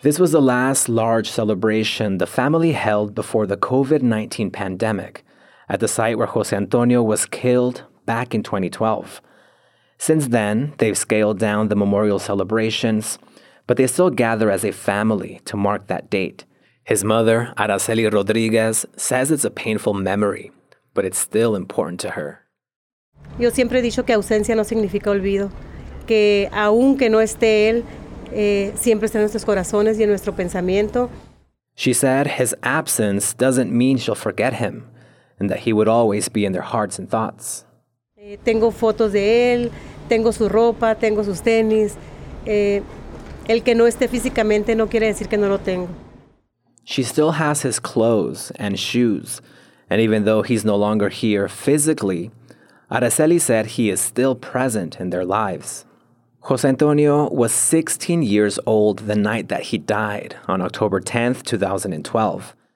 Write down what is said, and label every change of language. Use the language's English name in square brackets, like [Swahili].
[English] This was the last large celebration the family held before the COVID-19 pandemic at the site where Jose Antonio was killed back in 2012. Since then, they've scaled down the memorial celebrations, but they still gather as a family to mark that date. His mother, Araceli Rodriguez, says it's a painful memory, but it's still important to her. [Spanish] Yo siempre he dicho que ausencia no significa olvido, que aunque no esté él, siempre está en nuestros corazones y en nuestro pensamiento. [English] She said his absence doesn't mean she'll forget him, and that he would always be in their hearts and thoughts. [Spanish] Tengo fotos de él, tengo su ropa, tengo sus tenis. El que no esté físicamente no quiere decir que no lo tengo. [English] She still has his clothes and shoes, and even though he's no longer here physically, Araceli said he is still present in their lives. Jose Antonio was 16 years old the night that he died, on October 10th, 2012.